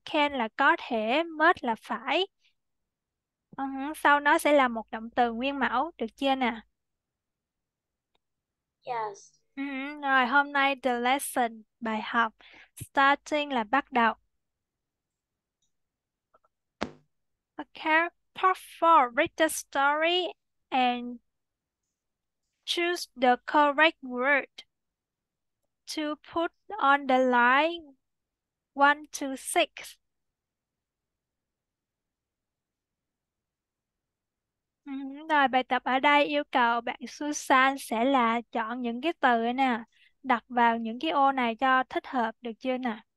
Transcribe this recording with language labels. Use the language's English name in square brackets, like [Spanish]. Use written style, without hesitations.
[Vietnamese] Can là có thể, must là phải. Sau nó sẽ là một động từ nguyên mẫu, được chưa nè. [English] Yes. [Vietnamese] Rồi, hôm nay [English] the lesson, [Vietnamese] bài học, starting là bắt đầu. [English] Okay. Part 4, read the story and choose the correct word to put on the line 1 to 6. [Vietnamese] Rồi, bài tập ở đây yêu cầu bạn Susan sẽ là chọn những cái từ nè, đặt vào những cái ô này cho thích hợp, được chưa nè.